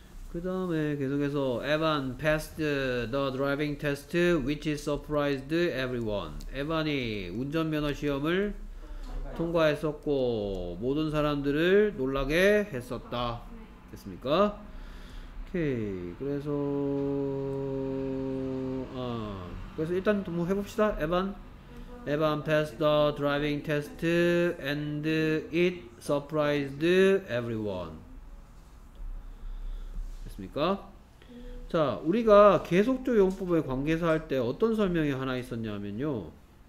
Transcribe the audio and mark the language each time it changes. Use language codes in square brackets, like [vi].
[ko] 그 다음에 계속해서 [en] Evan passed the driving test which surprised everyone. [ko] Evan이 운전면허 시험을 통과했었고 모든 사람들을 놀라게 했었다. 됐습니까? 오케이. 그래서 그래서 일단 뭐 해봅시다. [en] Evan passed the driving test and it surprised everyone. [ko] 됐습니까? 자, 우리가 계속적 용법의 관계사 할 때 어떤 설명이 하나 있었냐면요.